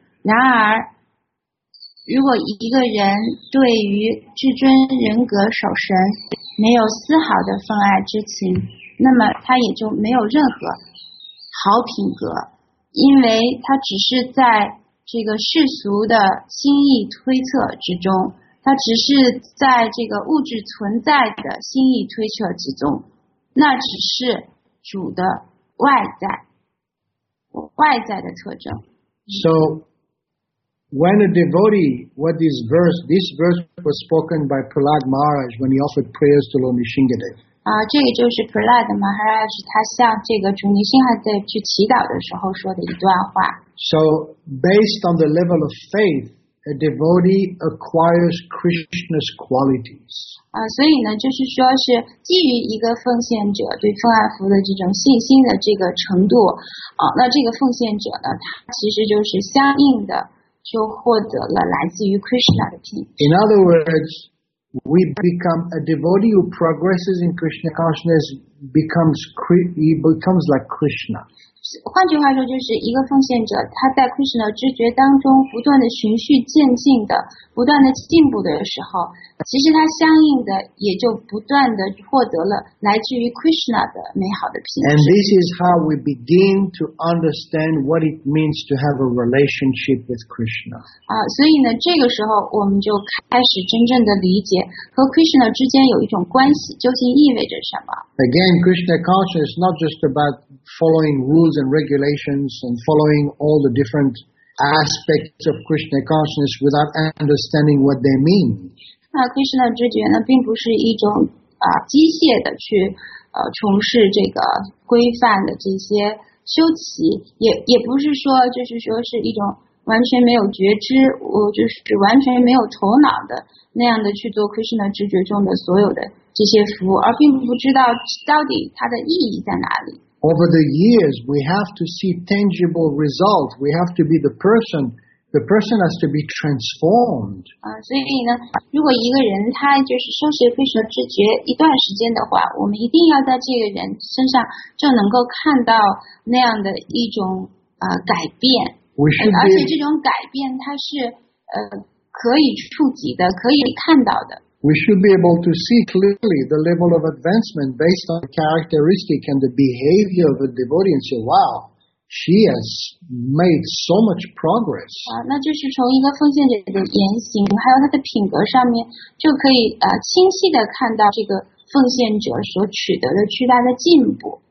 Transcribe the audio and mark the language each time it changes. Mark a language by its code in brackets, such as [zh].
[zh] 然而，如果一个人对于至尊人格守神没有丝毫的奉爱之情，那么他也就没有任何好品格，因为他只是在这个世俗的心意推测之中，他只是在这个物质存在的心意推测之中，那只是主的外在的特征。 [en] So when a devotee, what this verse was spoken by Prahlad Maharaj when he offered prayers to Lord Nrisimhadev. [zh] 这个就是 Prahlad Maharaj 他向这个主尼辛哈德去祈祷的时候说的一段话。 [en] So, based on the level of faith A devotee acquires Krishna's qualities. [zh] 所以呢，就是说是基于一个奉献者对奉爱服的这种信心的这个程度，那这个奉献者呢，他其实就是相应的就获得了来自于 Krishna 的品质。 [en] In other words, we become a devotee who progresses in Krishna consciousness becomes like Krishna. [zh] 换句话说，就是一个奉献者，他在 Krishna 知觉当中不断的循序渐进的、不断的进步的时候，其实他相应的也就不断的获得了来自于 Krishna 的美好的品质。 [en] And this is how we begin to understand what it means to have a relationship with Krishna. [zh] 所以呢，这个时候我们就开始真正的理解和 Krishna 之间有一种关系究竟意味着什么。 [en] Again, Krishna consciousness is not just about following rules and regulations and following all the different aspects of Krishna consciousness without understanding what they mean. [zh] Krishna 知觉呢，并不是一种机械的去从事这个规范的这些修习，也不是说就是说是一种完全没有觉知，我就是完全没有头脑的那样的去做 Krishna 知觉中的所有的。这些服务，而并不知道到底它的意义在哪里。 [en] Over the years, we have to see tangible results. We have to be the person. The person has to be transformed. [zh] 所以呢，如果一个人他就是修习非常知觉一段时间的话，我们一定要在这个人身上就能够看到那样的一种改变。而且这种改变它是可以触及的，可以看到的。 [en] We should be able to see clearly the level of advancement based on the characteristic and the behavior of a devotee and say, wow, she has made so much progress. [zh] 那就是从一个奉献者的言行还有他的品格上面就可以清晰地看到这个奉献者所取得的巨大的进步。